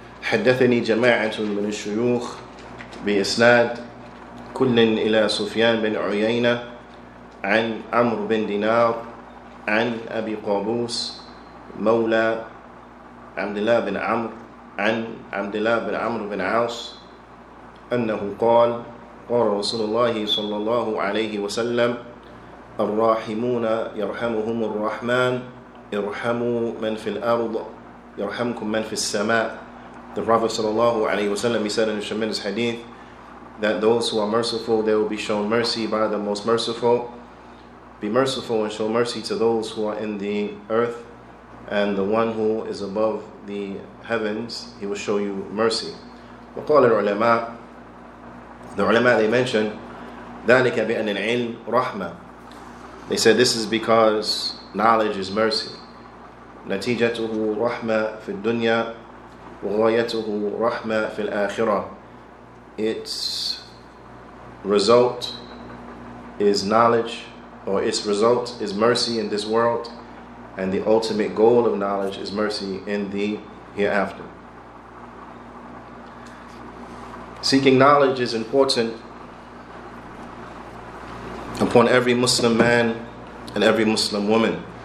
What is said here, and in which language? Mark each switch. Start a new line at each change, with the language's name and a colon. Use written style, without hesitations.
Arabic: حدثني جماعة من الشيوخ بإسناد كل إلى سفيان بن عيينة عن عمرو بن دينار عن أبي قابوس مولى عبد الله بن عمرو عن عبد الله بن عمرو بن عاص أنه قال قال رسول الله صلى الله عليه وسلم الراحمون يرحمهم الرحمن ارحموا من في الأرض يرحمكم من في السماء.
English: The Prophet sallallahu alayhi wasallam, he said in a tremendous hadith that those who are merciful, they will be shown mercy by the most merciful. Be merciful and show mercy to those who are in the earth, and the one who is above the heavens, he will show you mercy.
Arabic: وقال العلماء,
English: the ulama, they mentioned
Arabic: ذلك بأن العلم رحمة.
English: They said this is because knowledge is mercy.
Arabic: نتيجته رحمة في الدنيا وَغَيَتُهُ رَحْمَةً فِي الْآخِرَةِ.
English: Its result is knowledge, or its result is mercy in this world, and the ultimate goal of knowledge is mercy in the hereafter. Seeking knowledge is important upon every Muslim man and every Muslim woman.